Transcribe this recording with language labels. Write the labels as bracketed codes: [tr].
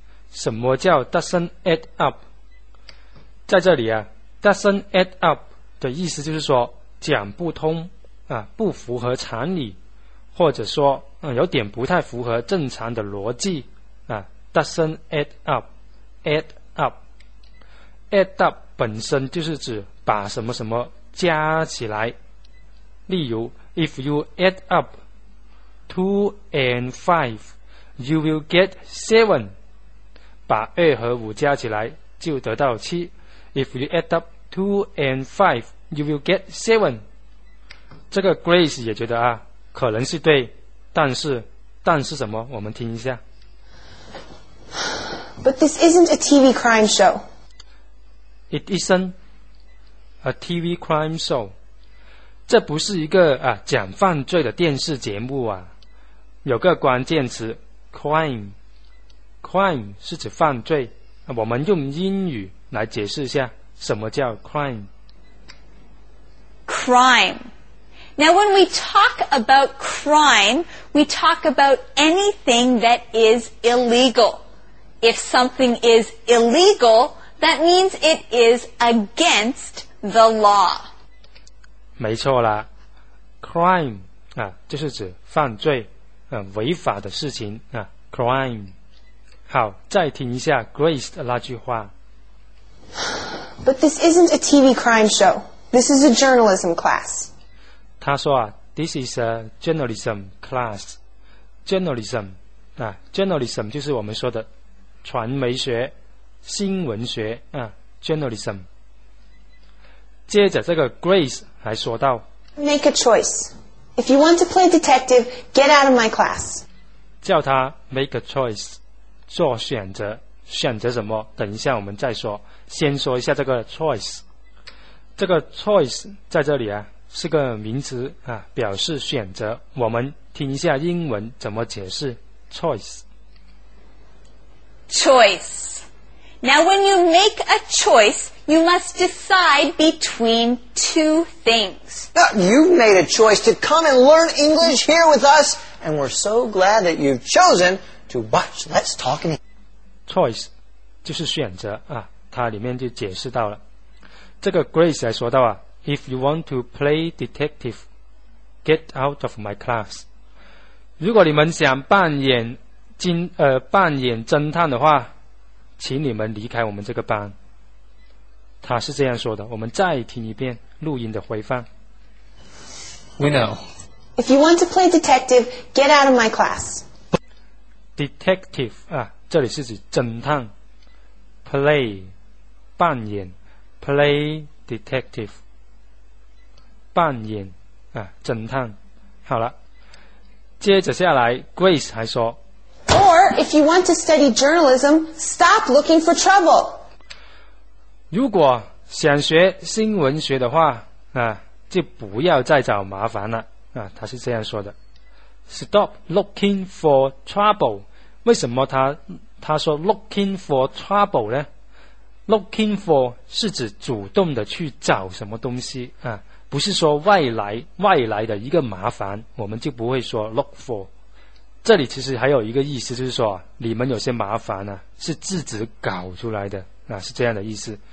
[zh] 什么叫 [en] doesn't add up? [zh] 在这里啊 [en] doesn't add up [zh] 的意思就是说讲不通啊，不符合常理，或者说有点不太符合正常的逻辑啊。 [en] Doesn't add up. Add up. [zh] Add up 本身就是指把什么什么加起来。例如 [en] If you add up 2 and 5, you will get 7. [zh] 把2和5加起来就得到7。 [en] If you add up 2 and 5, you will get 7. [zh] 这个 Grace 也觉得啊，可能是对，但是什么，我们听一下。 [en] But this isn't a TV crime show. It isn't a TV crime show. [zh] 这不是一个啊讲犯罪的电视节目啊。有个关键词 crime. Crime 是指犯罪。我们用英语来解释一下什么叫 crime. [en] Crime. Now, when we talk about crime, we talk about anything that is illegal. If something is illegal, that means it is against the law. [zh] 没错啦 crime 啊，就是指犯罪，违法的事情啊 ，crime. 好，再听一下 Grace 的那句话。 [en] But this isn't a TV crime show. This is a journalism class. [zh] 他说啊 [en] ,this is a journalism class. [zh] Journalism, 啊 ,journalism 就是我们说的传媒学新闻学啊 ,journalism. 接着这个 Grace 还说到 [en] ,make a choice. If you want to play detective, get out of my class. [zh] 叫他 [en] make a choice, [zh] 做选择选择什么等一下我们再说先说一下这个 choice. 这个 choice 在这里啊是个名词啊，表示选择。我们听一下英文怎么解释 choice。 [en] Choice. Now, when you make a choice, you must decide between two things. Now, you've made a choice to come and learn English here with us, and we're so glad that you've chosen to watch Let's Talk English. [zh] Choice 就是选择啊，它里面就解释到了。这个 Grace 还说到啊。 [en] If you want to play detective, get out of my class. [zh] 如果你们想扮演侦探的话，请你们离开我们这个班。他是这样说的，我们再听一遍录音的回放。 [en] We know. If you want to play detective, get out of my class. [zh] Detective, 啊，这里是指侦探。 [en] Play, 扮演。Play detective. [zh] 扮演啊，侦探。好了，接着下来 ，Grace 还说 [en] ，Or if you want to study journalism, stop looking for trouble. [zh] 如果想学新闻学的话啊，就不要再找麻烦了啊。他是这样说的 ， [en] Stop looking for trouble. [zh] 为什么他说 [en] looking for trouble [zh] 呢 ？Looking for 是指主动的去找什么东西啊。不是说外来的一个麻烦，我们就不会说 look for。这里其实还有一个意思，就是说你们有些麻烦啊，是自己搞出来的，那是这样的意思。